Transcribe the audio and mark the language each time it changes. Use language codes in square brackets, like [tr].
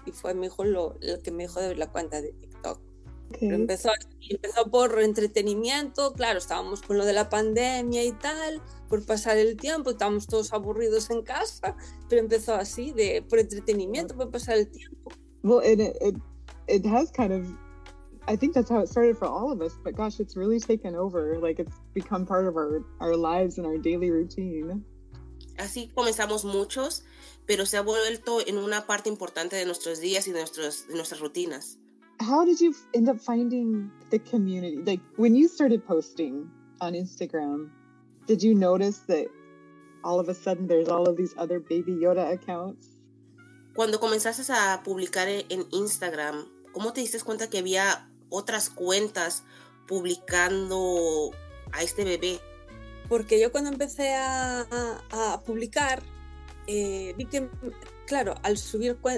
[es] Y fue mi hijo el que me dijo de abrir la cuenta de TikTok. Okay. Empezó por entretenimiento, claro, estábamos con lo de la pandemia y tal, por pasar el tiempo, estábamos todos aburridos en casa, pero empezó así, por entretenimiento, por pasar el tiempo. [en] Well, it has kind of, I think that's how it started for all of us, but gosh, it's really taken over, like it's become part of our lives and our daily routine. [es] Así comenzamos muchos, pero se ha vuelto en una parte importante de nuestros días y de nuestras rutinas. [en] How did you end up finding the community? Like, when you started posting on Instagram, did you notice that all of a sudden there's all of these other Baby Yoda accounts? [es] Cuando comenzaste a publicar en Instagram, ¿cómo te diste cuenta que había otras cuentas publicando a este bebé? Porque yo cuando empecé a publicar, vi que, claro, al subir...